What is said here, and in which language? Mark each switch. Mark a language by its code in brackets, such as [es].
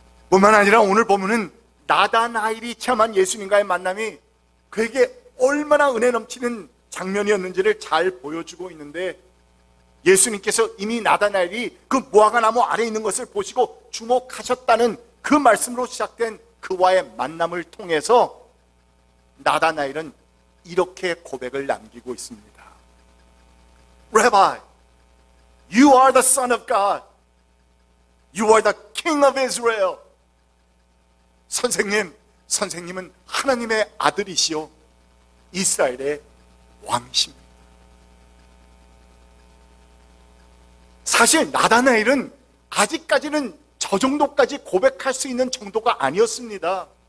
[ko] 뿐만 아니라 오늘 보면은 나다나엘이 체험한 예수님과의 만남이 그에게 얼마나 은혜 넘치는 장면이었는지를 잘 보여주고 있는데, 예수님께서 이미 나다나엘이 그 무화과나무 아래 있는 것을 보시고 주목하셨다는 그 말씀으로 시작된 그와의 만남을 통해서 나다나엘은 이렇게 고백을 남기고 있습니다. [en] Rabbi, you are the son of God. You are the king of Israel. [ko] 선생님, 선생님은 하나님의 아들이시오 이스라엘의 왕이십니다. 사실 나다나엘은 아직까지는 저 정도까지 고백할 수 있는 정도가 아니었습니다.